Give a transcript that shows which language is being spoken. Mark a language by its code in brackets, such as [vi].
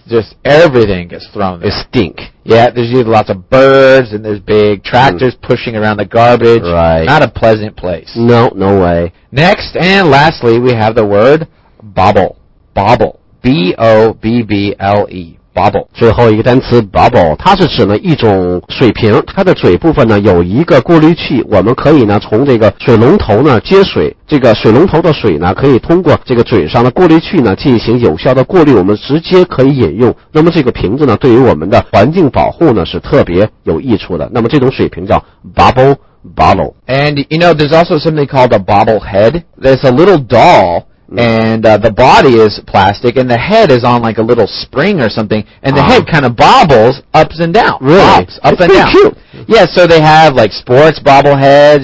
[en] Just everything gets thrown there. It stink. Yeah, there's usually lots of birds and there's big tractors、pushing around the garbage. Right. Not a pleasant place. No, no way. Next and lastly, we have the word bobble. Bobble. B-O-B-B-L-E. bubble。 [zh] 最后一个单词 bubble， 它是指呢一种水瓶，它的嘴部分呢有一个过滤器，我们可以呢从这个水龙头呢接水，这个水龙头的水呢可以通过这个嘴上的过滤器呢进行有效的过滤，我们直接可以饮用。那么这个瓶子呢对于我们的环境保护呢是特别有益处的，那么这种水瓶叫 bubble。 [en] And you know there's also something called a bobble head. There's a little doll and the body is plastic and the head is on like a little spring or something and the head kind of bobbles ups and down. Really? Bobs, up、 It's、 and down. It's pretty cute. Yeah, so they have like sports bobble heads.